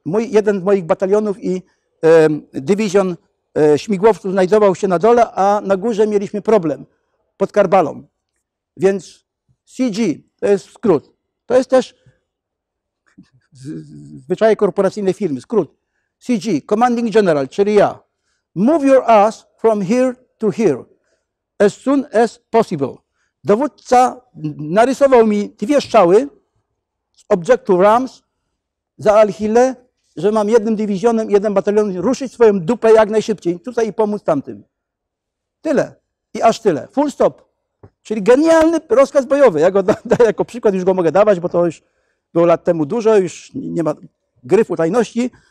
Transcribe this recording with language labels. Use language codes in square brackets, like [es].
[pl] Jeden z moich batalionów i dywizjon śmigłowców znajdował się na dole, a na górze mieliśmy problem pod Karbalą. Więc CG to jest skrót. To jest też zwyczaje korporacyjnej firmy, skrót. [en] CG, Commanding General, [pl] czyli ja. [en] Move your ass from here to here as soon as possible. [pl] Dowódca narysował mi dwie strzały z obiektu Rams za Al-Hile, że mam jednym dywizjonem, jednym batalionem ruszyć swoją dupę jak najszybciej tutaj i pomóc tamtym. Tyle. I aż tyle. [en] Full stop. [pl] Czyli genialny rozkaz bojowy. Ja go daję jako przykład, już go mogę dawać, bo to już było lat temu dużo, już nie ma gryfu tajności.